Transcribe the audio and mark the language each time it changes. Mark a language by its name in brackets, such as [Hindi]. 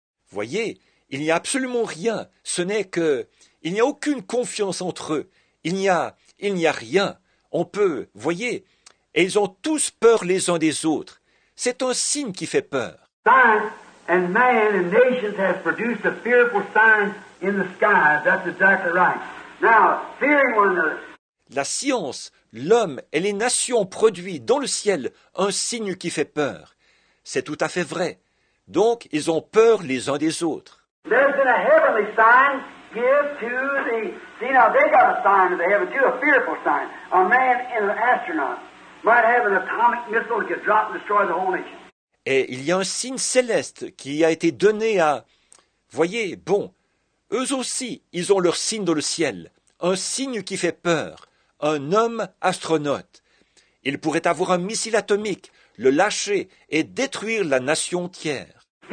[French] Voyez, il n'y a absolument rien. Ce n'est que... Il n'y a aucune confiance entre eux. Il n'y a rien. On peut... Voyez, et ils ont tous peur les uns des autres. C'est un signe qui fait peur. [English] And man and nations have produced a fearful sign in the skies. That's exactly right. Now, fearing one another. [French] La science, l'homme et les nations produisent dans le ciel un signe qui fait peur. C'est tout à fait vrai. Donc, ils ont peur les uns des autres. [English] There's been a heavenly sign give to the... See, now they got a sign of the heaven too, a fearful sign. A man and an astronaut might have an atomic missile that could drop and destroy the whole nation. [French] Et il y a un signe céleste qui a été donné à... Voyez, bon, eux aussi, ils ont leur signe dans le ciel. Un signe qui fait peur. Un homme astronaute. Il pourrait avoir un missile atomique, le lâcher et détruire la nation entière.